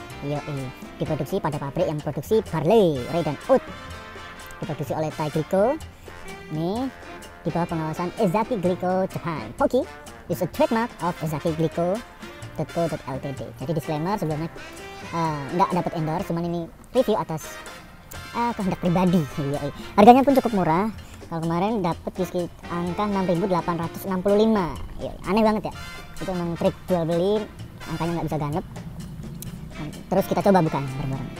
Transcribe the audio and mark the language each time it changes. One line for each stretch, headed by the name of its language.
Indonesian: Yoi, diproduksi pada pabrik yang produksi barley, rye dan oat. Diproduksi oleh Thai Glico. Nih, di bawah pengawasan Ezaki Glico Japan.
English: Poki is a trademark of Ezaki Glico Co.Ltd.
Indonesian: Jadi disclaimer sebelumnya, nggak dapat endorse, cuman ini review atas kehendak pribadi. Yoi. Harganya pun cukup murah. Kalau kemarin dapat di sekitar angka 6.865. Yoi. Aneh banget ya. Itu emang trik jual beli, angkanya nggak bisa ganep. Terus kita coba bukan bareng-bareng.